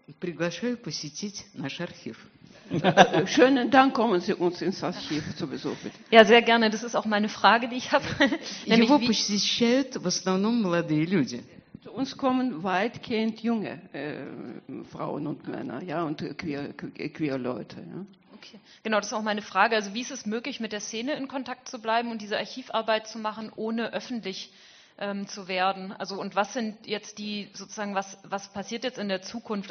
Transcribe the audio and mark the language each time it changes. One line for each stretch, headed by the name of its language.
Russian: Приглашаю посетить наш архив.
German: Schönen Dank, kommen Sie uns ins Archiv zu besuchen. Ja, sehr gerne. Das ist auch meine Frage, die ich habe.
Russian: Его посещают в основном молодые люди.
German: Zu uns kommen weitgehend junge Frauen und Männer, ja, und queer Leute. Ja. Okay. Genau, das ist auch meine Frage. Also wie ist es möglich, mit der Szene in Kontakt zu bleiben und diese Archivarbeit zu machen, ohne öffentlich zu werden? Also und was sind jetzt die, sozusagen, was passiert jetzt in der Zukunft?